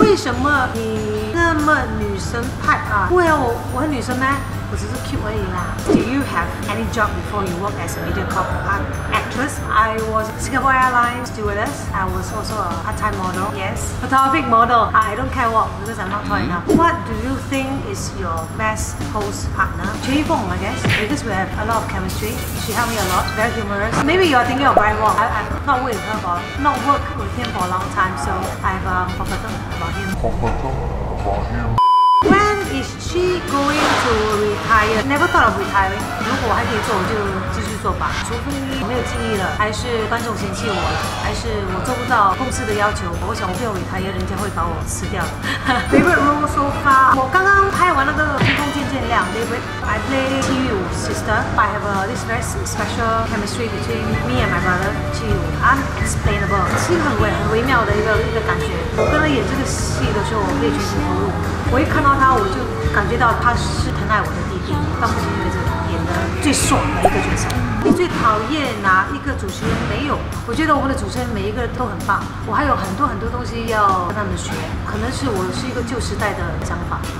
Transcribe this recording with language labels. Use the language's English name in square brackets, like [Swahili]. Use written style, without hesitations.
[Chinese] 为什么你那么女生派啊？不会啊，我很女生呢，我只是 cute 而已啦。 [English] Do you have any job before you work as a MediaCorp actress? I was Singapore Airlines stewardess. I was also a part-time model. Yes, photographic model. I don't care what because I'm not tall enough. What do you think is your best pose partner? Chen Yifeng, I guess, because we have a lot of chemistry. She helped me a lot. Very humorous. Maybe you are thinking of Brian Wong. I've not worked with him for a long time, so I've forgotten about him. When is she going to retire? Never thought of retiring. [Chinese] 如果我还可以做，我就继续做吧。除非我没有记忆了，还是观众嫌弃我了，还是我做不到公司的要求。我想我不要 retire， 人家会把我吃掉的。 [English] Favorite role so far， [Chinese] 我刚刚拍完那个《天空渐渐亮》 [English] I play Qiyu sister. I have this very special chemistry between me and my brother Qiyu. Unexplainable. [Chinese] 是一个很微妙的一个感觉。我跟他演这个戏的时候，我可以全心投入。我一看到他，我就感觉到他是疼爱我的弟弟。到目前为止，演的最爽的一个角色。你最讨厌哪一个主持人？没有，我觉得我们的主持人每一个都很棒。我还有很多很多东西要跟他们学，可能是我是一个旧时代的想法。